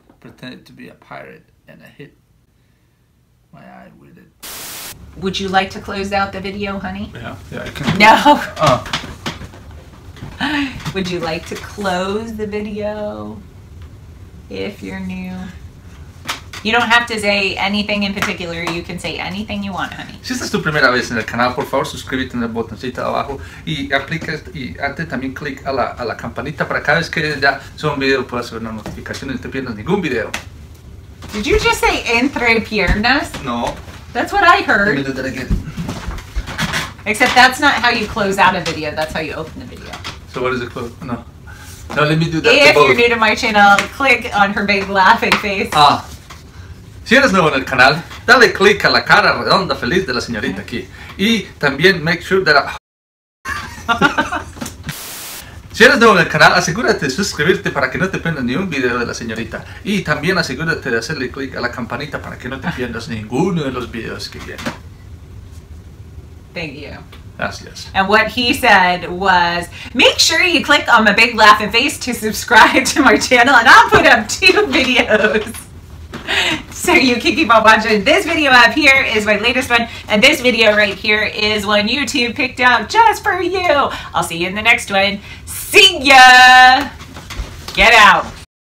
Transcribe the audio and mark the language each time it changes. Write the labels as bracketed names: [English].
[English] Pretended to be a pirate and I hit my eye with it. Would you like to close out the video, honey? Yeah, I can. No. Would you like to close the video if you're new? You don't have to say anything in particular. You can say anything you want, honey. [Spanish] Si esta es tu primera vez en el canal, por favor, suscríbete en el botoncito abajo y aplica y antes también click a la campanita para cada vez que ya suba un video puedas ver una notificación y no te pierdas ningún video. [English] Did you just say [Spanish] entre piernas? [English] No. That's what I heard. Let me do that again. Except that's not how you close out a video. That's how you open the video. So what is it close? No. No, let me do that. If you're new to my channel, click on her big laughing face. Ah. [Spanish] Si eres nuevo en el canal, dale click a la cara redonda feliz de la señorita aquí. Y también [English] make sure that... [Spanish] Si eres nuevo en el canal, asegúrate de suscribirte para que no te pierdas ni un video de la señorita. Y también asegúrate de hacerle click a la campanita para que no te pierdas ninguno de los videos que vienen. [English] Thank you. [Spanish] Gracias. [English] And what he said was, make sure you click on my big laughing face to subscribe to my channel and I'll put up two videos. So you can keep on watching. This video up here is my latest one. And this video right here is one YouTube picked out just for you. I'll see you in the next one. See ya! Get out!